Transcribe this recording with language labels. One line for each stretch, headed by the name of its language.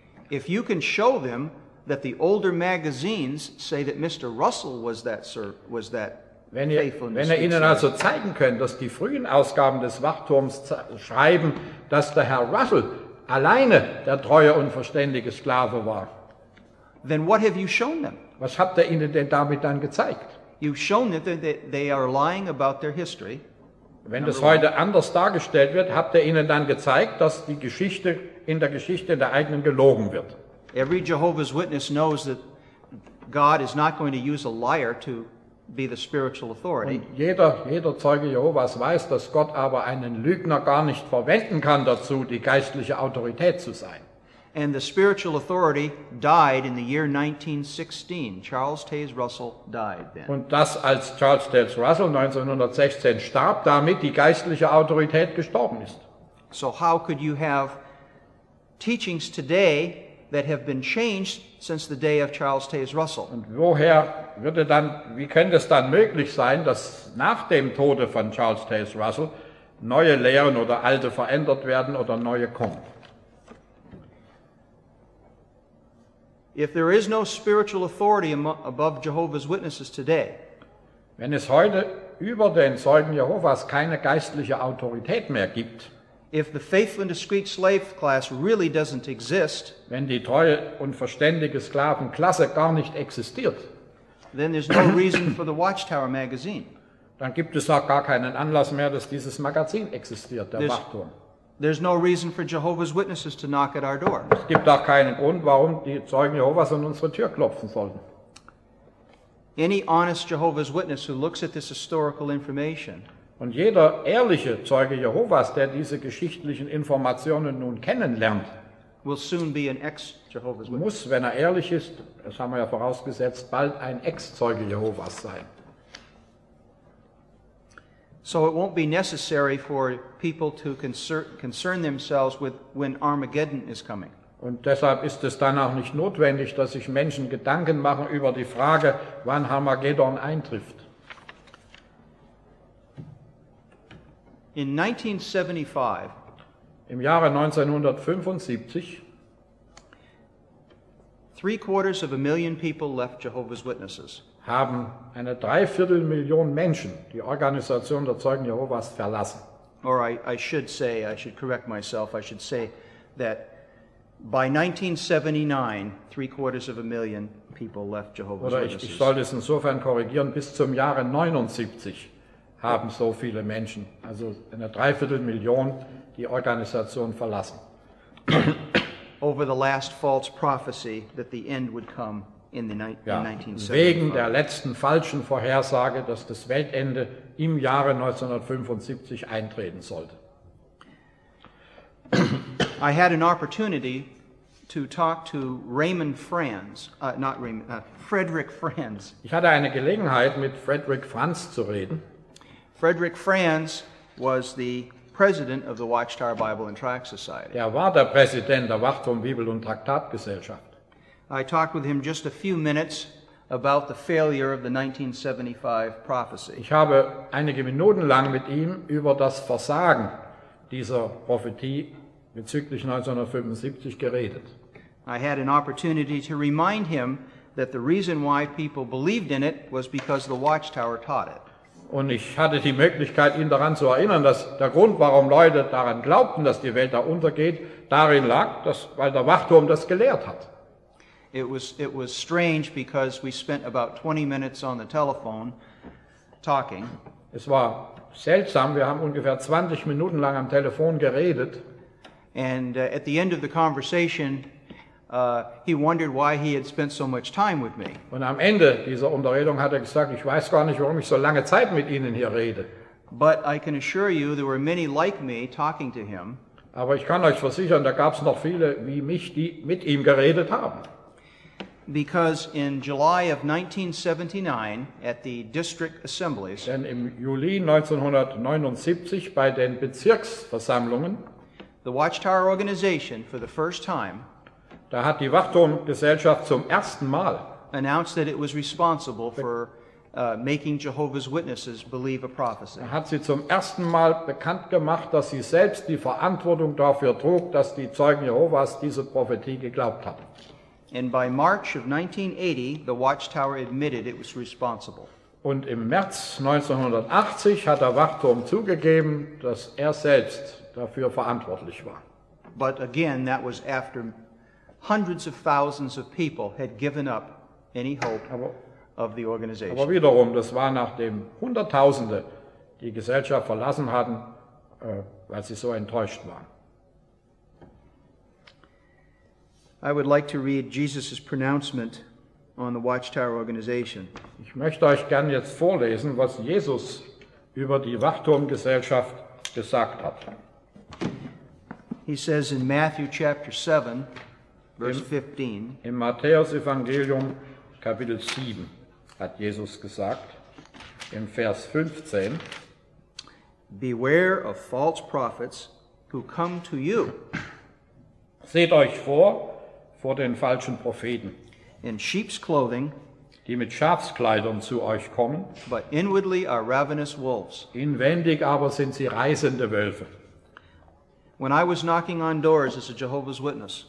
English: If you can show them that the older magazines say that Mr. Russell was that
German: wenn ihr ihnen also zeigen könnt, dass die frühen Ausgaben des Wachturms schreiben, dass der Herr Russell alleine der treue und verständige Sklave war,
English: then what have you shown them?
German: Was habt ihr ihnen denn damit dann gezeigt?
English: You've shown that they are lying about their history.
German: Wenn das heute anders dargestellt wird, habt ihr ihnen dann gezeigt, dass die Geschichte in der Geschichte der eigenen gelogen wird.
English: Every Jehovah's Witness knows that God is not going to use a liar to be the spiritual authority.
German: Und jeder Zeuge Jehovas weiß, dass Gott aber einen Lügner gar nicht verwenden kann dazu, die geistliche Autorität zu sein.
English: And the spiritual authority died in the year 1916. Charles Taze Russell died then.
German: Und das, als Charles Taze Russell 1916 starb, damit die geistliche Autorität gestorben ist.
English: So how could you have teachings today that have been changed since the day of Charles Taze Russell.
German: Und woher würde dann, wie könnte es dann möglich sein, dass nach dem Tode von Charles Taze Russell neue Lehren oder alte verändert werden oder neue kommen?
English: If there is no spiritual authority above Jehovah's Witnesses today,
German: wenn es heute über den Zeugen Jehovas keine geistliche Autorität mehr gibt,
English: if the faithful and discreet slave class really doesn't exist,
German: wenn die treue und verständige Sklavenklasse gar nicht existiert,
English: then there's no reason for the Watchtower magazine.
German: Dann gibt es auch gar keinen Anlass mehr, dass dieses Magazin existiert, der Wachturm.
English: There's no reason for Jehovah's Witnesses to knock at our door.
German: Es gibt auch keinen Grund, warum die Zeugen Jehovas an unsere Tür klopfen sollten.
English: Any honest Jehovah's Witness who looks at this historical information,
German: und jeder ehrliche Zeuge Jehovas, der diese geschichtlichen Informationen nun kennenlernt,
English: will soon be an ex-Jehovah's Witness.
German: Muss, wenn ehrlich ist, das haben wir ja vorausgesetzt, bald ein Ex-Zeuge Jehovas sein.
English: So it won't be necessary for people to concern themselves with when Armageddon is coming.
German: Und deshalb ist es dann auch nicht notwendig, dass sich Menschen Gedanken machen über die Frage, wann Armageddon eintrifft.
English: In 1975,
German: im Jahre 1975,
English: 750,000 people left Jehovah's Witnesses.
German: Haben eine Dreiviertelmillion Menschen die Organisation der Zeugen Jehovas verlassen.
English: Or I should correct myself, I should say that by 1979, 750,000 people left Jehovah's Witnesses.
German: Oder ich soll das insofern korrigieren, bis zum Jahre 79 haben so viele Menschen, also eine Dreiviertelmillion, die Organisation verlassen.
English: Over the last false prophecy that the end would come in the 1975.
German: Wegen der letzten falschen Vorhersage, dass das Weltende im Jahre 1975 eintreten sollte.
English: I had an opportunity to talk to Raymond Franz, Frederick Franz.
German: Ich hatte eine Gelegenheit, mit Frederick Franz zu reden.
English: Frederick Franz was the president of the Watchtower Bible and Tract Society.
German: Er war der Präsident der Wachturm Bibel und Traktatgesellschaft.
English: I talked with him just a few minutes about the failure of the 1975 prophecy.
German: Ich habe einige Minuten lang mit ihm über das Versagen dieser Prophetie bezüglich 1975 geredet.
English: I had an opportunity to remind him that the reason why people believed in it was because the Watchtower taught it.
German: Und ich hatte die Möglichkeit, ihn daran zu erinnern, dass der Grund, warum Leute daran glaubten, dass die Welt da untergeht, darin lag, dass weil der Wachturm das gelehrt hat.
English: It was strange because we spent about 20 minutes on the telephone talking.
German: Es war seltsam, wir haben ungefähr 20 Minuten lang am Telefon geredet.
English: And at the end of the conversation, he wondered why he had spent so much time with me.
German: Und am Ende dieser Unterredung hat gesagt, ich weiß gar nicht, warum ich so lange Zeit mit Ihnen hier rede.
English: But I can assure you there were many like me talking to him.
German: Aber ich kann euch versichern, da gab es noch viele wie mich, die mit ihm geredet haben.
English: Because in July of 1979 at the district assemblies,
German: denn im Juli 1979 bei den Bezirksversammlungen,
English: the Watchtower organization for the first time,
German: da hat die Wachturmgesellschaft zum ersten Mal
English: announced that it was responsible for making Jehovah's Witnesses believe a prophecy.
German: Hat sie zum ersten Mal bekannt gemacht, dass sie selbst die Verantwortung dafür trug, dass die Zeugen Jehovas diese Prophetie geglaubt haben.
English: And by March of 1980, the Watchtower admitted it was responsible.
German: Und im März 1980 hat der Wachturm zugegeben, dass selbst dafür verantwortlich war.
English: But again, that was after hundreds of thousands of people had given up any hope of the organization.
German: Aber wiederum, das war nachdem Hunderttausende die Gesellschaft verlassen hatten, weil sie so enttäuscht waren.
English: I would like to read Jesus' pronouncement on the Watchtower organization.
German: Ich möchte euch gern jetzt vorlesen, was Jesus über die Wachturmgesellschaft gesagt hat.
English: He says in Matthew chapter 7, verse 15.
German: Im Matthäus Evangelium Kapitel 7 hat Jesus gesagt, im Vers 15.
English: Beware of false prophets who come to you.
German: Seht euch vor den falschen Propheten,
English: in sheep's clothing,
German: die mit Schafskleidern zu euch kommen,
English: but inwardly are ravenous wolves.
German: Inwendig aber sind sie reißende Wölfe.
English: When I was knocking on doors as a Jehovah's Witness,